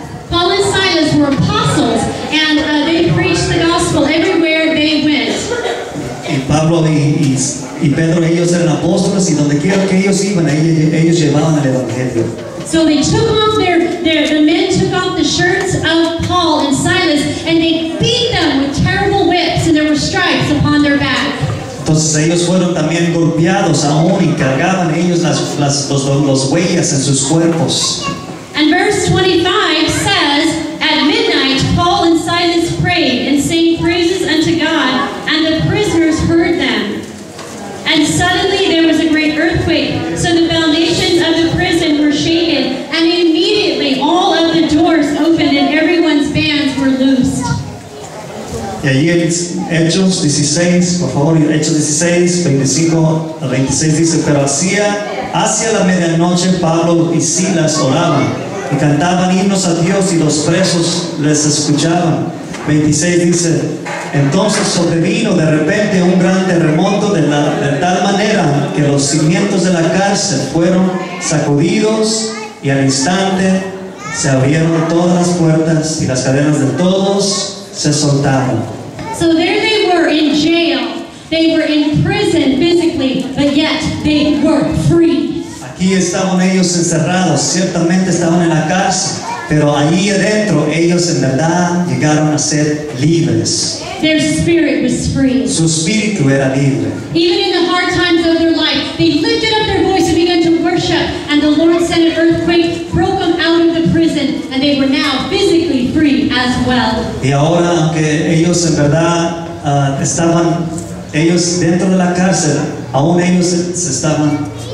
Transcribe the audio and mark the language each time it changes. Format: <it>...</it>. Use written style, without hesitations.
<en>Paul and Silas were apostles, and they preached the gospel everywhere they went.</en> <es>Y Pablo y Pedro, ellos eran apóstoles, y donde quiera que ellos iban, ellos llevaban el evangelio.</es> <en>So they took off the men took off the shirts of Paul and Silas, and they beat them with terrible whips, and there were stripes upon their back.</en> <es>Entonces ellos fueron también golpeados aún y cargaban ellos las huellas en sus cuerpos.</es> <en>And verse 25 says, at midnight, Paul and Silas prayed and sang praises unto God, and the prisoners heard them. And suddenly there was a great earthquake, so the foundations of the prison were shaken, and immediately all of the doors opened and everyone's bands were loosed.</en> <es>Y allí en Hechos 16, por favor, Hechos 16, 25 a 26 dice, pero hacia la medianoche Pablo y Silas oraban y cantaban himnos a Dios y los presos les escuchaban. 26 dice, Entonces sobrevino de repente un gran terremoto de tal manera que los cimientos de la cárcel fueron sacudidos y al instante se abrieron todas las puertas y las cadenas de todos se soltaron.</es> <en>So there they were in jail. They were in prison physically, but yet they were free.</en> <es>Aquí estaban ellos encerrados, ciertamente estaban en la cárcel, pero ahí adentro ellos en verdad llegaron a ser libres.</es> <en>Their spirit was free.</en> <es>Su espíritu era libre.</es> <en>Even in the hard times of their life, they lifted up their voice and began to worship, and the Lord sent an earthquake, broke them out of the prison, and they were now physically free as well.</en> <es>Y ahora, aunque ellos en verdad estaban ellos dentro de la cárcel, aún ellos se estaban...</es>